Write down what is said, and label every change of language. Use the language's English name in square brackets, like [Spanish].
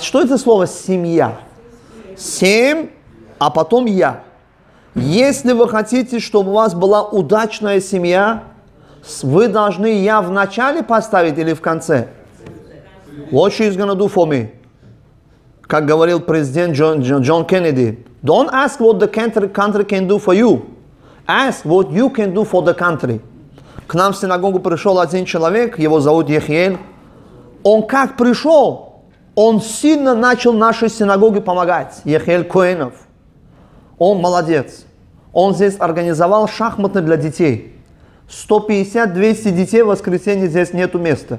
[Russian] Что это слово семья? Семь, а потом я. Если вы хотите, чтобы у вас была удачная семья, вы должны я в начале поставить или в конце? [English] What she is gonna do for me? [Russian] Как говорил президент Джон Кеннеди. [English] Don't ask what the country can do for you. Ask what you can do for the country. [Russian] К нам в синагогу пришел один человек, его зовут Ехиэль. Он как пришел, он сильно начал нашей синагоге помогать. Ехиэль Коэнов. Он молодец. Он здесь организовал шахматы для детей. 150-200 детей в воскресенье здесь нету места.